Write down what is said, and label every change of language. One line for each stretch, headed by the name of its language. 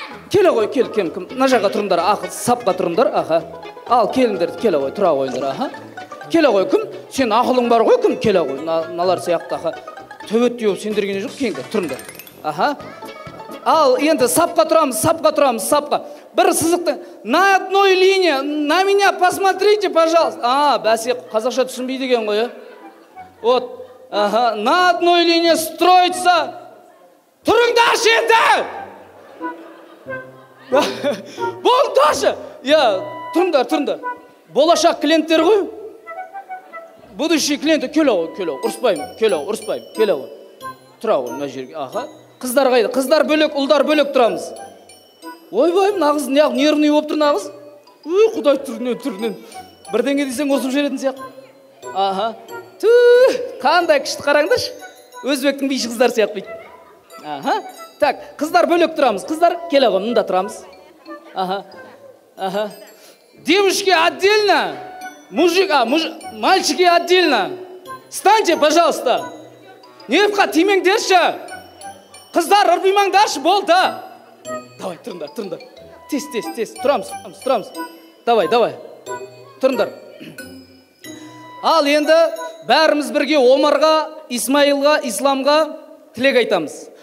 Kazakh: Кел ой, кел, кем, кім? Мына жаққа тұрыңдар, аха, сапқа тұрыңдар, аха. Ал келіңдер, кел ой, тұра қойыңдар, аха. Кел ой, кім? Сен ақылың бар ғой, кім? Кел ой, мыналар сияқты, аха. Төбет деп сендерге не жоқ, келіңдер, тұрыңдар. Аха. Ал енді сапқа тұрамыз, сапқа тұрамыз, сапқа. Бір сызықты
Russian: на одной линия, на меня посмотрите, пожалуйста.
Kazakh: А, бәсе қазақша түсінбейді деген ғой.
Russian: Вот. Аха, на одной линия строится.
Kazakh: Тұрыңдар енді. Бол тоже. Я, тұрыңдар, тұрыңдар. Болашақ клиенттер ғой.
Russian: Будущий клиент,
Kazakh: келе ғой, келе ғой. Ұрыспаймын, келе ғой, ұрыспаймын, келе ғой. Тұра ғой мына жерге. Аха. Қыздар қайда? Қыздар бөлек, ұлдар бөлек тұрамыз. Ойбай, нағыз неғып нервный болып тұр нағыз. Ой, құдай түрінен түрінен. Бірдеңе десең осып жіберетін сияқты. Аха. Ту, қандай күшті қараңдаршы. Өзбектің биші қыздар сияқты. Аха. Так, қыздар бөлек тұрамыз. Қыздар келе ғой, мында тұрамыз.
Russian: Аха. Аха. Девушки отдельно. Мужик, а, мальчики отдельно. Станьте, пожалуйста.
Kazakh: Нервқа тимеңдерші. Қыздар ұрпимаңдаршы, болды. Давай, тұрыңдар, тұрыңдар. Тез, тез, тез, тұрамыз, тұрамыз, тұрамыз. Давай, давай. Тұрыңдар. Ал енді бәріміз бірге Омарға, Исмаилға, Исламға тілек айтамыз.